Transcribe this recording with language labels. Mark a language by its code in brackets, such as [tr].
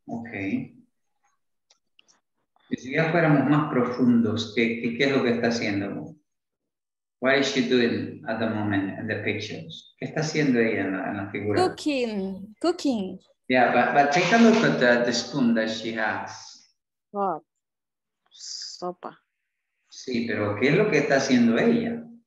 [es] Ok. Si ya fuéramos más profundos, ¿qué es lo que está haciendo? [en] What is she doing at the moment in the pictures? [es] ¿Qué está haciendo ella en la figura? [en] Cooking. Yeah, but take a look at the spoon that she has. What? Sopa. [es] Sí, pero ¿qué es lo que está haciendo ella?